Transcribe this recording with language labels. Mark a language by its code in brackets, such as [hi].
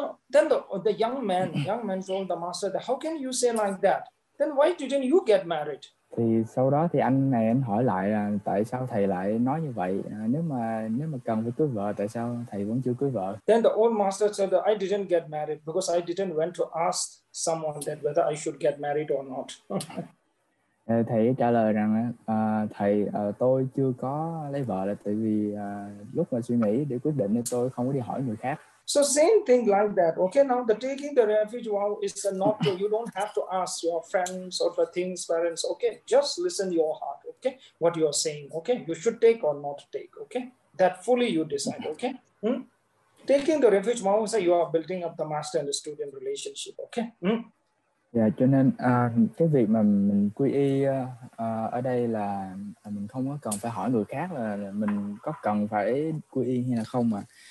[en] Then the young man told the master that how can you say like that? Then why didn't you get married? [vi] Thì sau đó thì anh này anh hỏi lại là tại sao thầy lại nói như vậy? Nếu mà cần phải cưới vợ, tại sao thầy vẫn chưa cưới vợ? [en] Then the old master said that I didn't get married because I didn't went to ask someone that whether I should get married or not. [vi] Thầy trả lời rằng thầy tôi chưa có lấy vợ là tại vì lúc mà suy nghĩ để quyết định thì tôi không có đi hỏi người khác. [en] So same thing like that. Okay, now the taking the refuge vow is not to, you don't have to ask your friends or the things, parents. Okay, just listen your heart. Okay, what you are saying. Okay, you should take or not take. Okay, that fully you decide. Okay, taking the refuge vow is that you are building up the master and the student relationship. Okay. [vi] Yeah, cho nên cái việc mà mình quy y ở đây là mình không có cần phải hỏi người khác là mình có cần phải quy y hay là không mà.